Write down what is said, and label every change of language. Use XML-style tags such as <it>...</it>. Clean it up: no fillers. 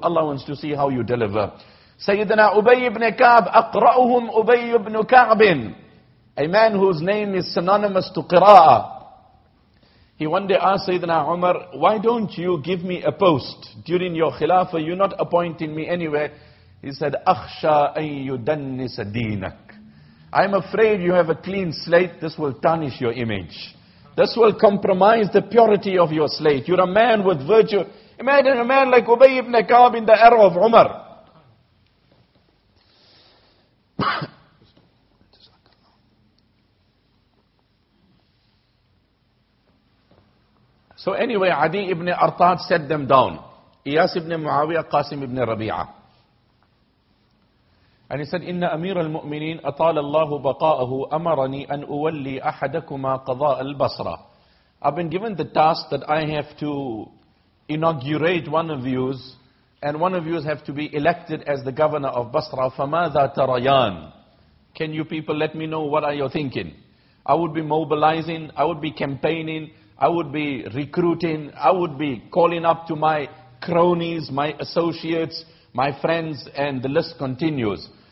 <en>Allah wants to see how you deliver. Sayyidina Ubay ibn Ka'b, أَقْرَأُهُمْ Ubay ibn Ka'bin, a man whose name is synonymous to qira'ah. He one day asked Sayyidina Umar, why don't you give me a post during your khilafah? You're not appointing me anywhere. He said,</en> <ar>أَخْشَى أَن يُدَنِّسَ دِينَكَ.</ar> <en>I'm afraid you have a clean slate. This will tarnish your image. This will compromise the purity of your slate. You're a man with virtue. Imagine a man like Ubay ibn Ka'b in the era of Umar. So anyway, Adi ibn Artad set them down. Iyas ibn Muawiyah, Qasim ibn Rabi'ah. And he said,</en> <ar>إِنَّ أَمِيرَ الْمُؤْمِنِينَ أَطَالَ اللَّهُ بَقَاءَهُ أَمَرَنِي أَنْ أُوَلِّي أَحَدَكُمَا قَضَاءَ الْبَصْرَةِ.</ar> <en>I've been given the task that I have to inaugurate one of you, and one of you have to be elected as the governor of Basra.</en> <ar>فَمَاذَا تَرَيَانَ.</ar> <en>Can you people let me know what are you thinking? I would be mobilizing, I would be campaigning, I would be recruiting, I would be calling up to my cronies, my associates, my friends, and the list continues.</en>